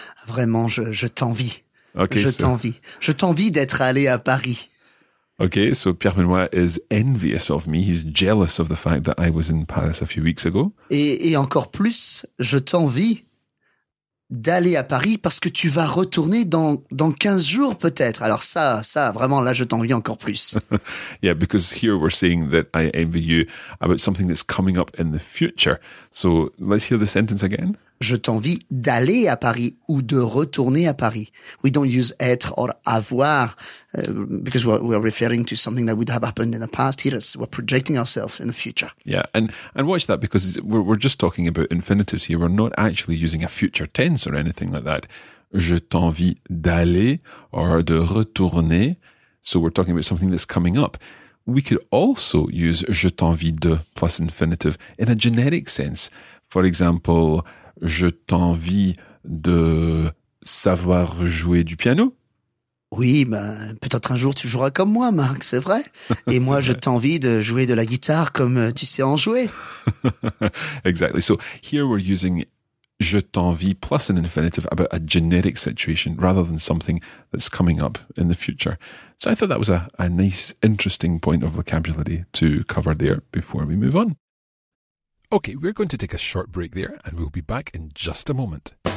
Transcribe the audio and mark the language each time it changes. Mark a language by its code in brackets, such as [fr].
[fr] Vraiment, je t'envie. [en] Okay, [fr] t'envie. Je t'envie d'être allé à Paris. [en] Okay, so Pierre-Benoît is envious of me. He's jealous of the fact that I was in Paris a few weeks ago. [fr] Et encore plus, je t'envie d'aller à Paris parce que tu vas retourner dans 15 jours peut-être. Alors ça vraiment là je t'envie encore plus. [en] Yeah, because here we're saying that I envy you about something that's coming up in the future. So let's hear the sentence again. [fr] Je t'envie d'aller à Paris ou de retourner à Paris. [en] We don't use être or avoir because we're referring to something that would have happened in the past. Here we're projecting ourselves in the future. Yeah, and watch that because we're just talking about infinitives here. We're not actually using a future tense or anything like that. [fr] Je t'envie d'aller or de retourner. [en] So we're talking about something that's coming up. We could also use [fr] je t'envie de [en] plus infinitive in a generic sense. For example, [fr] je t'envie de savoir jouer du piano. Oui, peut-être un jour tu joueras comme moi, Marc, c'est vrai. Et moi, je t'envie de jouer de la guitare comme tu sais en jouer. [en] Exactly. So here we're using [fr] je t'envie [en] plus an infinitive about a generic situation rather than something that's coming up in the future. So I thought that was a nice, interesting point of vocabulary to cover there before we move on. Okay, we're going to take a short break there and we'll be back in just a moment.